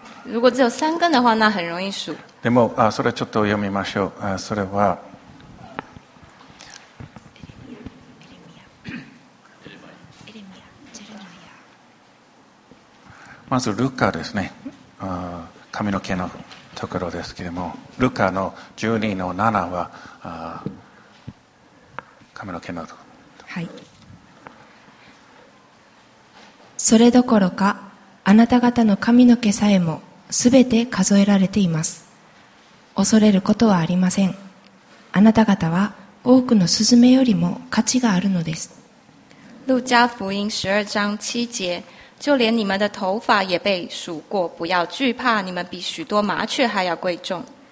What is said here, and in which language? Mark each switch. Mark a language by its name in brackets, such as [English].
[Chinese] 如果只有三根的话，那很容易数。 [Japanese] でもそれちょっと読みましょう。それは まずルカですね。髪の毛のところですけれども、ルカの12の7は髪の毛のところ。はい。それどころか、あなた方の髪の毛さえも、すべて数えられています。恐れることはありません。あなた方は多くのスズメよりも価値があるのです。 [Chinese] 路加福音12章7節、就连你们的头发也被数过，不要惧怕，你们比许多麻雀还要贵重。